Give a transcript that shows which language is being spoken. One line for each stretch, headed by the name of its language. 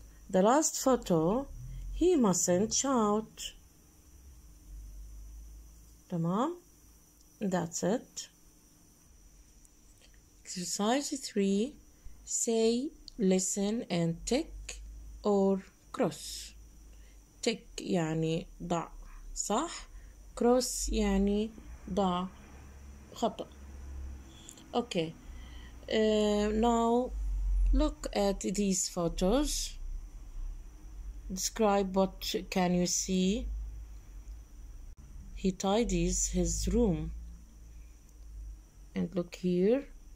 English: The last photo, he mustn't shout.
Arabic: تمام.
English: That's it. Exercise 3. Say, listen and tick or cross.
Arabic: Tick يعني ضع صح. Cross يعني ضع خطأ.
English: Okay. Now, look at these photos. Describe what can you see. He tidies his room. And look here.